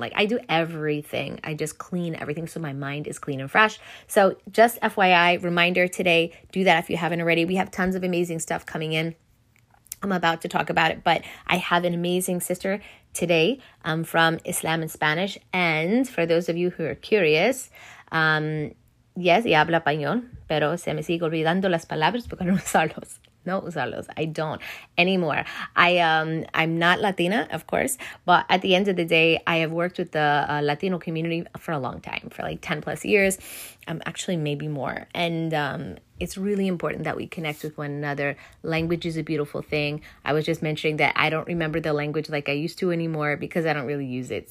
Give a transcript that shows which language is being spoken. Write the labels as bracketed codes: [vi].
[en] Like I do everything. I just clean everything so my mind is clean and fresh. So just FYI, reminder today, do that if you haven't already. We have tons of amazing stuff coming in. I'm about to talk about it, but I have an amazing sister today from Islam in Spanish. [es] And for those of you who are curious, yes, y habla español, pero se me sigue olvidando las palabras porque no usarlos. [en] No usarlos. I don't anymore. I'm not Latina, of course, but at the end of the day, I have worked with the Latino community for a long time, for like 10 plus years, actually maybe more. And it's really important that we connect with one another. Language is a beautiful thing. I was just mentioning that I don't remember the language like I used to anymore because I don't really use it.